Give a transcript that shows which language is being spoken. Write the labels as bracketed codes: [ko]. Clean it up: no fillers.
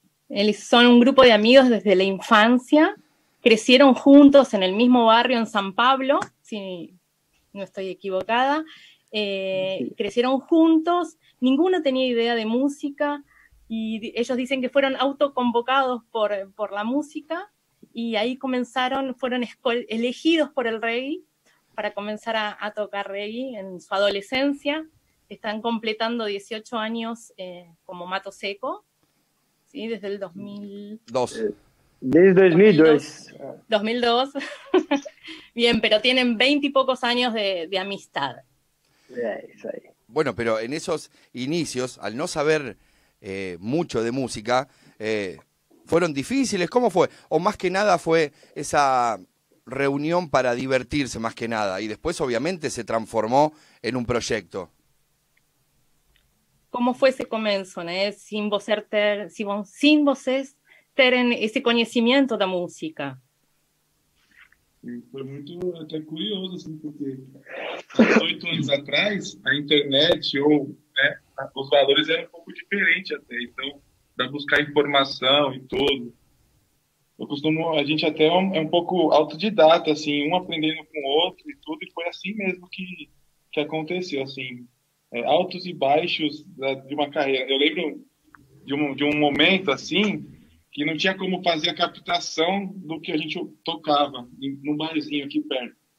[pt] Eles são um grupo de amigos desde a infância, cresceram juntos no mesmo barrio, em São Paulo, se não estou equivocada, cresceram juntos, ninguém tinha ideia de música, e eles dizem que foram autoconvocados [es] por la música, [pt] e aí começaram, foram elegidos [es] por el rei, para comenzar a tocar reggae en su adolescencia. Están completando 18 años como Mato Seco, ¿sí? Desde el 2002. Desde 2002. 2002. Bien, pero tienen 20 y pocos años de amistad. Bueno, pero en esos inicios, al no saber mucho de música, ¿fueron difíciles? ¿Cómo fue? O más que nada fue esa reunión para divertirse más que nada y después obviamente se transformó en un proyecto. ¿Cómo fue ese comienzo, né? Sin vos ser ter, sin vos ser ese conocimiento de la música. Fue muy até curioso, assim, porque 18 años atrás, la internet o los valores eran un poco diferentes, até, então, para buscar información y todo. [pt] A gente até é um pouco autodidata, assim, um aprendendo com o outro e tudo, e foi assim mesmo que aconteceu, assim, altos e baixos de uma carreira. Eu lembro de um momento, assim, que não tinha como fazer a captação do que a gente tocava num barzinho aqui perto.